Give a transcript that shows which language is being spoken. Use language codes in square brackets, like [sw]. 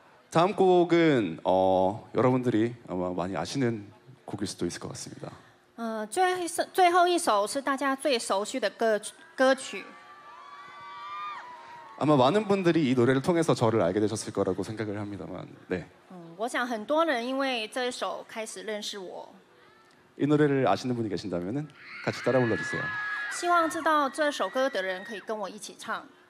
[ko] 다음 곡은 여러분들이 아마 많이 아시는 곡일 수도 있을 것 같습니다. [zh] 最后一首是大家最熟悉的歌曲. [ko] 아마 많은 분들이 이 노래를 통해서 저를 알게 되셨을 거라고 생각을 합니다만, 네. [zh] 我想很多人因为这首开始认识我. [ko] 이 노래를 아시는 분이 계신다면은 같이 따라 불러주세요. [zh] 希望知道这首歌的人可以跟我一起唱.